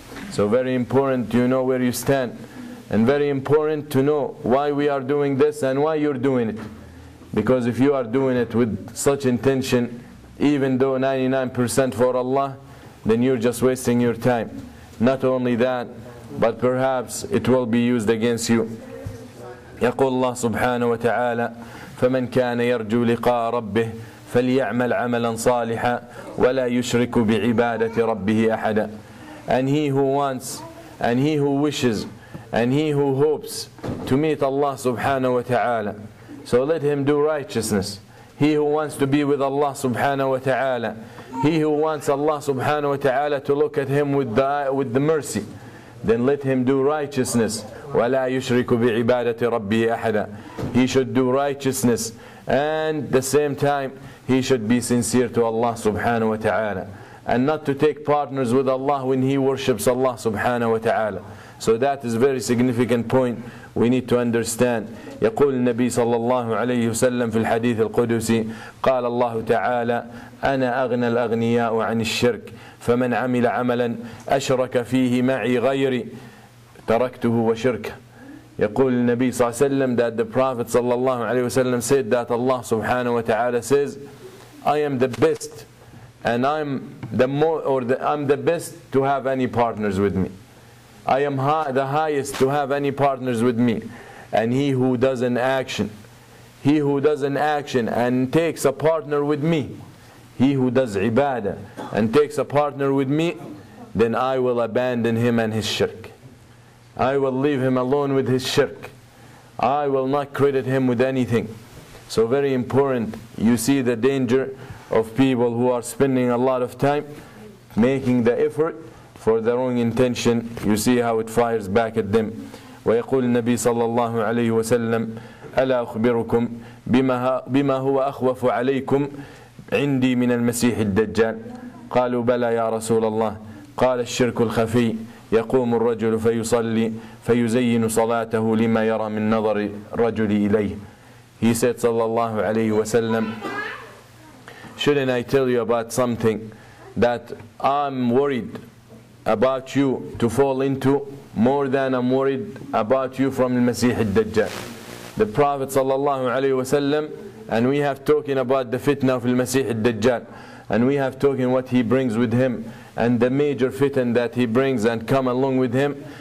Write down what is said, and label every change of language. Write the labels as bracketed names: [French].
[English] So very important you know where you stand. And very important to know why we are doing this and why you're doing it. Because if you are doing it with such intention, even though 99% for Allah, then you're just wasting your time. Not only that, but perhaps it will be used against you. [Arabic] يقول الله سبحانه وتعالى فمن كان يرجو لقاء ربه فليعمل عملا صالحا ولا يشرك بعبادة ربه أحدا. [English] And he who wants, and he who wishes, and he who hopes to meet Allah subhanahu wa ta'ala, so let him do righteousness. He who wants to be with Allah subhanahu wa ta'ala, he who wants Allah subhanahu wa ta'ala to look at him with the mercy, then let him do righteousness. [Arabic] وَلَا يُشْرِكُ بِعِبَادَةِ رَبِّهِ أَحَدًا. [English] He should do righteousness, and at the same time, he should be sincere to Allah subhanahu wa ta'ala. And not to take partners with Allah when he worships Allah subhanahu wa ta'ala. So that is a very significant point we need to understand. [Arabic] يقول النبي صلى الله عليه وسلم في الحديث القدسي قال الله تعالى أنا أغنى الأغنياء عن الشرك فمن عمل عملا أشرك فيه معي غيري تركته وشركه. يقول النبي صلى الله عليه وسلم [English] that the Prophet [Arabic] صلى الله عليه وسلم [English] said that Allah subhanahu wa ta'ala says I am the best and I'm the best to have any partners with me. I am the highest to have any partners with me. And he who does an action and takes a partner with me, he who does ibadah and takes a partner with me, then I will abandon him and his shirk. I will leave him alone with his shirk. I will not credit him with anything. So very important, you see the danger of people who are spending a lot of time making the effort for their own intention. You see how it fires back at them. [Arabic] ويقول النبي صلى الله عليه وسلم ألا أخبركم بما هو أخوف عليكم عندي من المسيح الدجال. قالوا بلى يا رسول الله. قال الشرك الخفي يقوم الرجل فيصلي فيزين صلاته لما يرى من نظر الرجل إليه. [English] He said [Arabic] صلى الله عليه وسلم [English] shouldn't I tell you about something that I'm worried about you to fall into more than I'm worried about you from المسيح الدجال. The Prophet [Arabic] صلى الله عليه وسلم, [English] and we have talking about the fitna of المسيح الدجال, and we have talking what he brings with him and the major fitna that he brings and come along with him.